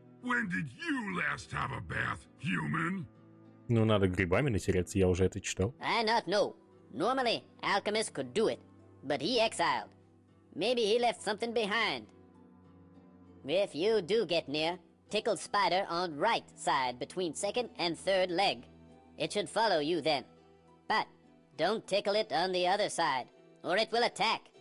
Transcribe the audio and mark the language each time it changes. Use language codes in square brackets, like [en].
[en] When did you last have a bath, human? [ru] Ну, надо грибами натереться, я уже это читал. [en] I not know. Normally, alchemist could do it, but he exiled. Maybe he left something behind. If you do get near, tickled spider on right side between second and third leg. It should follow you then. But don't tickle it on the other side, or it will attack.